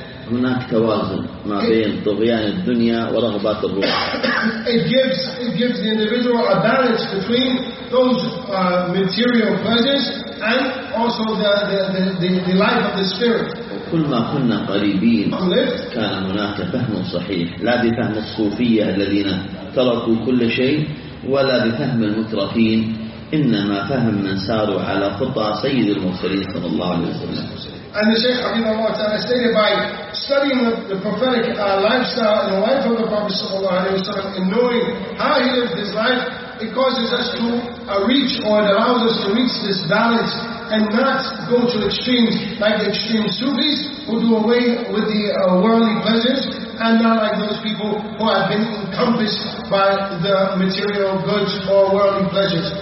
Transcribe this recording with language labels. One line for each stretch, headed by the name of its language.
Arabic: هناك توازن ما بين طغيان الدنيا ورغبات الروح.
English: It gives the individual a balance between those material pleasures and also the life of the spirit.
Arabic: كل ما كنا قريبين كان هناك فهم صحيح لا بفهم الصوفية الذين تركوا كل شيء ولا بفهم المترفين إنما فهم من ساروا على خطى سيد المرسلين صلى الله عليه وسلم.
English: And the Shaykh Hafidhullah Ta'ala stated by studying the prophetic lifestyle and the life of the Prophet Sallallahu Alaihi Wasallam and knowing how he lived his life, it causes us to reach or it allows us to reach this balance and not go to extremes like the extreme Sufis who do away with the worldly pleasures and not like those people who have been encompassed by the material goods or worldly pleasures.